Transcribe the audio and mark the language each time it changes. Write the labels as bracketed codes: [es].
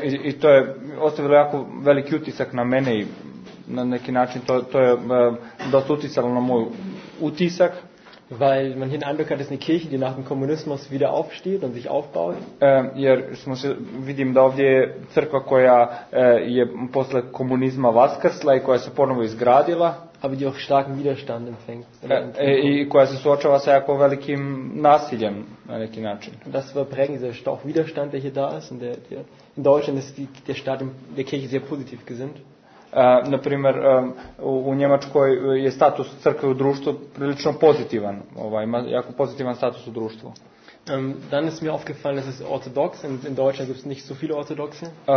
[sr] I to je ostavilo jako veliki utisak na mene i na neki način to je dosta utisalo na moj utisak. [de] Weil man hier den Eindruck hat, es ist eine Kirche, die nach dem Kommunismus wieder aufsteht und sich aufbaut. [sr] Jer smo se vidim da ovdje je crkva koja je posle komunizma vaskrsla i koja se ponovo izgradila, [de] aber die auch starken Widerstand empfängt. [sr] I koja se suočava sa jako velikim nasiljem na neki način. [de] Das war prägend, dieser stark Widerstand, der hier da ist, und der in Deutschland ist der Staat der Kirche sehr positiv gesinnt. [sr] Na primjer, u Njemačkoj je status crkve u društvu prilično pozitivan, ima jako pozitivan status u društvu. [de] Dann ist mir aufgefallen, dass es orthodox ist. In Deutschland gibt es nicht so viele Orthodoxe.